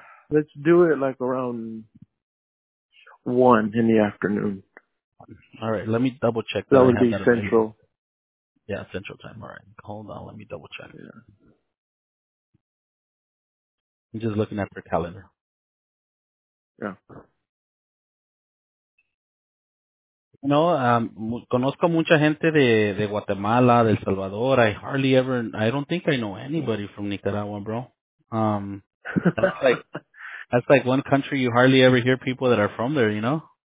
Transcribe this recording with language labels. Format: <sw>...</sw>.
<en>Let's do it like around 1 in the afternoon. All right, let me double check. That would be Central. Yeah, Central time. All right, hold on, let me double check. Yeah. I'm just looking at their calendar. Yeah.</en> <es>No, conozco mucha gente de Guatemala, de El Salvador.</es> <en>I don't think I know anybody from Nicaragua, bro. That's like one country you hardly ever hear people that are from there, you know?</en>